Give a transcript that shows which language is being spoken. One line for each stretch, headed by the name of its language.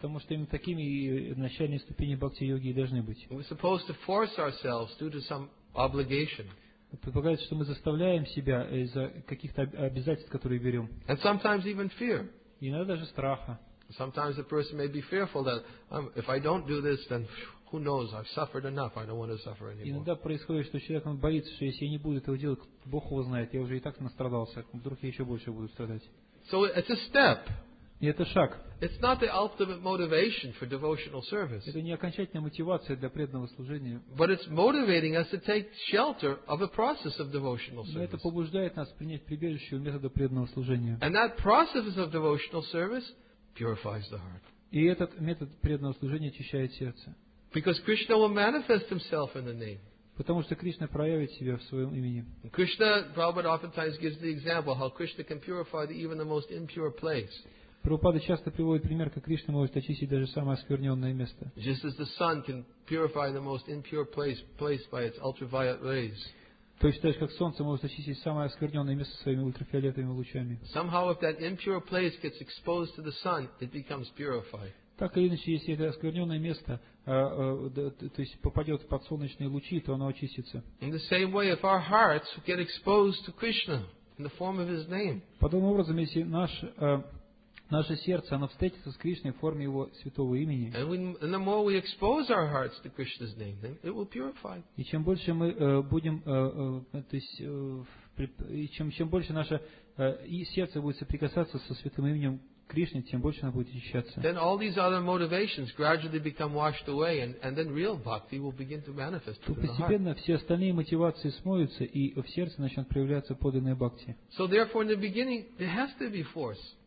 Russian: Потому что именно такими начальные ступени бхакти йоги и должны быть.
English: We're supposed to force ourselves due to some obligation.
Russian: Предполагается, что мы заставляем себя из-за каких-то обязательств, которые берем.
English: And sometimes even fear.
Russian: И иногда даже страха.
English: Sometimes a person may be fearful that if I don't do this, then who knows? I've suffered enough. I don't want to suffer anymore.
Russian: Иногда происходит, что человек он боится, что если я не буду этого делать, Бог его знает, я уже и так настрадался, вдруг я еще больше буду страдать.
English: So it's a step.
Russian: И это шаг.
English: It's not the ultimate motivation for devotional service.
Russian: Это не окончательная мотивация для преданного служения.
English: But it's motivating us to take shelter of a process of devotional service.
Russian: Но это побуждает нас принять прибежище у метода преданного служения.
English: And that process of devotional service purifies the heart.
Russian: И этот метод преданного служения очищает сердце.
English: Because Krishna will manifest himself in the name.
Russian: Потому что Кришна проявит себя в своем имени.
English: Krishna, Prabhupada oftentimes gives the example how Krishna can purify even the most impure place.
Russian: Прабхупада часто приводит пример, как Кришна может очистить даже самое оскверненное место.
English: Just as the sun can purify the most impure place by its ultraviolet rays.
Russian: То есть, так же, как солнце может очистить самое оскверненное место своими ультрафиолетовыми лучами.
English: Somehow, if that impure place gets exposed to the sun, it becomes purified.
Russian: Так или иначе, если это оскверненное место, то есть попадет под солнечные лучи, то оно очистится.
English: In the same way, if our hearts get exposed to Krishna in the form of His name.
Russian: Подобным образом, если наше сердце, оно встретится с Кришной в форме Его святого имени.
English: And the more we expose our hearts to Krishna's name, then it will purify.
Russian: И чем больше мы будем, то есть, чем больше наше сердце будет соприкасаться со святым именем Кришны, тем больше оно будет очищаться.
English: Then all these other motivations gradually become washed away, and then real bhakti will begin to manifest.
Russian: То постепенно все остальные мотивации смоются, и в сердце начнет проявляться подлинная бхакти.
English: So therefore, in the beginning, there has to be force.